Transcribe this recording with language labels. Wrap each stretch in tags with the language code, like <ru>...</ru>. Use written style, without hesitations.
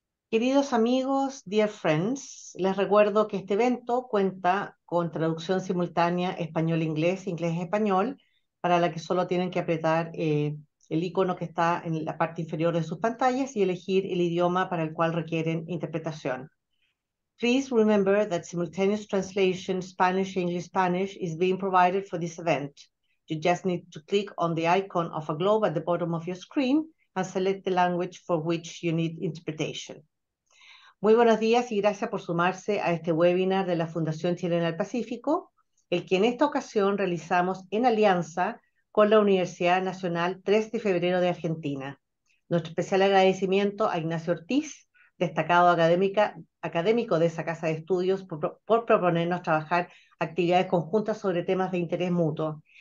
<es>Queridos amigos, dear friends, les recuerdo que este evento cuenta con traducción simultánea español-inglés, inglés-español, para la que solo tienen que apretar el icono que está en la parte inferior de sus pantallas y elegir el idioma para el cual requieren interpretación.</es> <en>Please remember that simultaneous translation Spanish-English-Spanish is being provided for this event. You just need to click on the icon of a globe at the bottom of your screen and select the language for which you need interpretation.</en> <es>Muy buenos días y gracias por sumarse a este webinar de la Fundación Chilena del Pacífico, el que en esta ocasión realizamos en alianza con la Universidad Nacional 3 de Febrero de Argentina. Nuestro especial agradecimiento a Ignacio Ortiz, destacado académico de esa casa de estudios, por proponernos trabajar actividades conjuntas sobre temas de interés mutuo.</es>